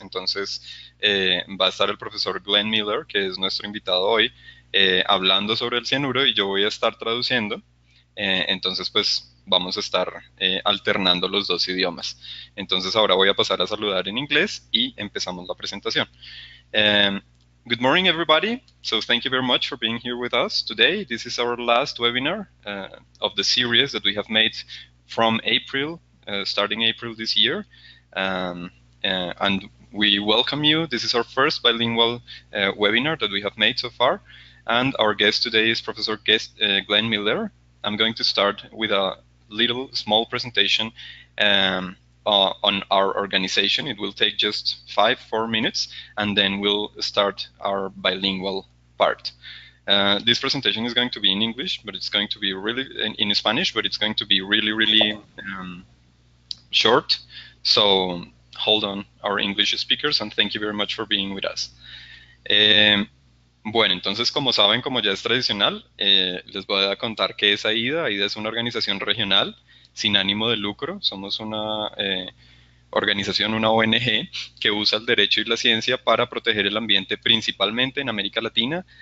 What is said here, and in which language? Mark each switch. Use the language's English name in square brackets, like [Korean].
[Spanish] Entonces, va a estar el profesor Glenn Miller, que es nuestro invitado hoy, hablando sobre el cianuro y yo voy a estar traduciendo. Entonces, pues vamos a estar alternando los dos idiomas. Entonces, ahora voy a pasar a saludar en inglés y empezamos la presentación. [English] Good morning, everybody. So, thank you very much for being here with us today. This is our last webinar of the series that we have made from April, starting April this year. And we welcome you. This is our first bilingual webinar that we have made so far. And our guest today is Professor Glenn Miller. I'm going to start with a little small presentation on our organization. It will take just 5 or 4 minutes, and then we'll start our bilingual part. This presentation is going to be in English, but it's going to be really in Spanish, but it's going to be really, really short. So hold on, our English speakers, and thank you very much for being with us. [Spanish] Bueno, entonces como saben, como ya es tradicional, les voy a contar qué es AIDA. AIDA es una organización regional sin ánimo de lucro. Somos una organización, una ONG que usa el derecho y la ciencia para proteger el ambiente principalmente en América Latina.